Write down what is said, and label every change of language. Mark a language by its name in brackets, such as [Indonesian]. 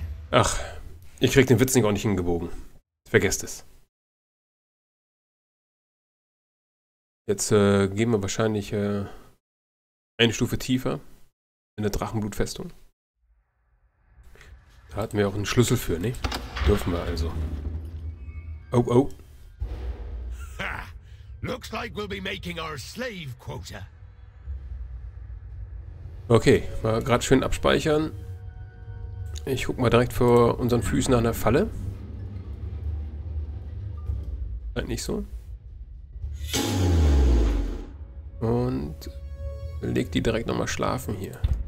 [German] Ach, ich krieg den Witz nicht auch nicht hingebogen. Vergesst es. Jetzt gehen wir wahrscheinlich eine Stufe tiefer in der Drachenblutfestung. Da hatten wir auch einen Schlüssel für, ne? Dürfen wir also. Oh, oh. Ha! [English] Looks like we'll be making our slave quota. [German] Okay, mal gerade schön abspeichern. Ich guck mal direkt vor unseren Füßen an der Falle. Scheint nicht so. Und leg die direkt nochmal schlafen hier.